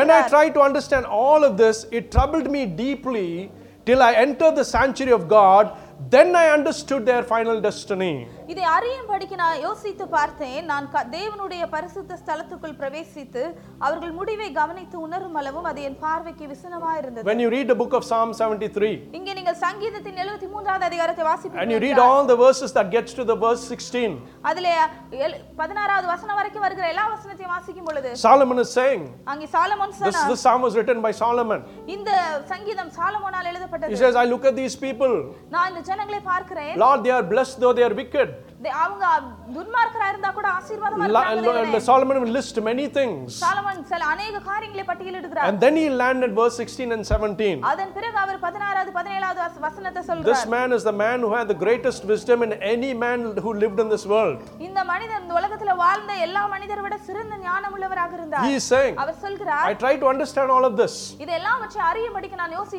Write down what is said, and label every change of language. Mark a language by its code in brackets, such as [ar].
[en] when i try to understand all of this it troubled me deeply till i entered the sanctuary of god then i understood their final destiny [ta] இதை அறியும் படிக்கு நான் யோசித்து பார்த்தேன் நான் தேவனுடைய பரிசுத்த ஸ்தலத்துக்குள் பிரவேசித்து அவர்கள் முடிவை கவனித்து உணரும் அளவும் அது என் பார்வைக்கு விசனமாக இருந்தது [en] when you read the book of psalm 73 [ta] இங்கே நீங்கள் சங்கீதத்தின் 73 ஆவது அதிகாரத்தை வாசிப்பீர்கள் [en] and you read all the verses that gets to the verse 16 [ta] அதிலே 16 ஆவது வசனம் வரைக்கும் வருகிற எல்லா வசனத்தையும் வாசிக்கும் பொழுது [en] solomon is saying [ta] அங்கே சாலமோன் சொன்னார் [en] this psalm was written by solomon [ta] இந்த சங்கீதம் சாலமோனால் எழுதப்பட்டது [en] he says i look at these people [ta] நான் இந்த ஜனங்களை பார்க்கிறேன் [en] lord they are blessed though they are wicked [ta] தே அவங்க துன்மார்க்கரா இருந்தா கூட ஆசீர்வாதமா இருக்காங்க [en] Solomon will list many things [ta] Solomon சில [hi] अनेक [ta] காரியங்களை பட்டியலிடுகிறார் [en] and then he landed verse 16 and 17 [ta] அதன் பிறகு அவர் 16வது 17வது வசனத்தை சொல்றார் [en] this man is the man who had the greatest wisdom in any man who lived in this world [ta] இந்த மனிதர் இந்த உலகத்துல வாழ்ந்த எல்லா மனிதரை விட சிறந்த ஞானமுள்ளவராக இருந்தார் [en] he is saying [ta] அவர் சொல்றார் [en] i try to understand all of this [ta] இதெல்லாம் வச்சு அறியும்படிக்கு நான் யோசித்து